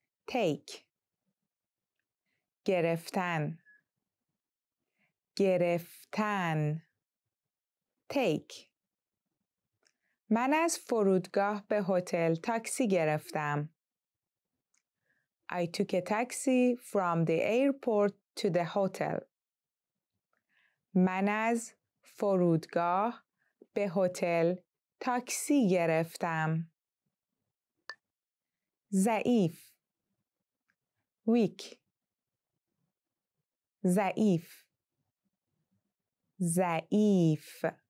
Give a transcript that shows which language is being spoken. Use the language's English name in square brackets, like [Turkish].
[English] Take. [Persian] گرفتن. گرفتن. Take. من از فرودگاه به هتل تاکسی گرفتم. [English] I took a taxi from the airport to the hotel. [Persian] من از فرودگاه به هتل تاکسی گرفتم. ضعیف. [English] Weak. [Persian] ضعیف. ضعیف.